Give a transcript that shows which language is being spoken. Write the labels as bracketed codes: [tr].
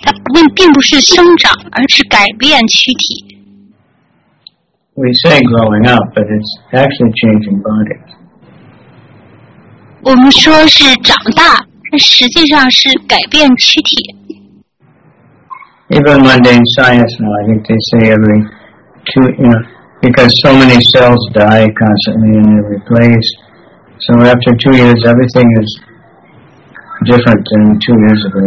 [zh] 大部分人不明白我们在不断地改变躯体。它并不是生长,而是改变躯体。 [en] We say growing up, but it's actually changing bodies. [zh] 我们说是长大,实际上是改变躯体。 [en] Even mundane science now, I think they say every two, because so many cells die constantly in every place. So after 2 years, everything is different than 2 years ago.